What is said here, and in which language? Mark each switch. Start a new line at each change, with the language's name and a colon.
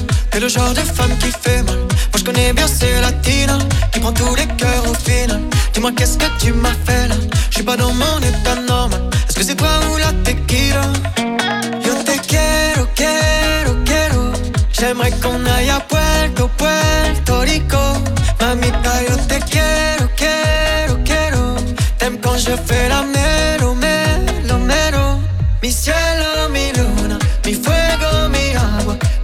French: T'es le genre de femme qui fait mal. Moi je connais bien ces latinas qui prend tous les cœurs au final. Dis-moi qu'est-ce que tu m'as fait là. Je suis pas dans mon état normal. Est-ce que c'est toi ou la tequila?
Spanish: Yo te quiero, quiero, quiero.
French: J'aimerais qu'on aille à Puerto, Puerto Rico.
Spanish: Mamita, yo te quiero, quiero, quiero.
French: T'aimes quand je fais la
Spanish: mero, mero, mero. Mi cielo, mi luna, mi fuego, mi agua.